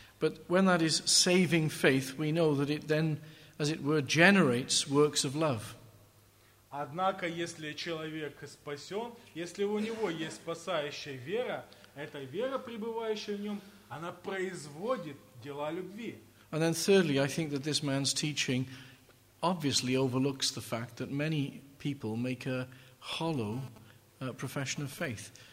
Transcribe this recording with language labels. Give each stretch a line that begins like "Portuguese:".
English: But when that is saving faith, we know that it then, as it were, generates works of love.
Russian: Однако, если человек спасен, если у него есть спасающая вера, эта вера, пребывающая в нем, она производит дела любви.
English: And then thirdly, I think that this man's teaching obviously overlooks the fact that many people make a hollow profession of faith.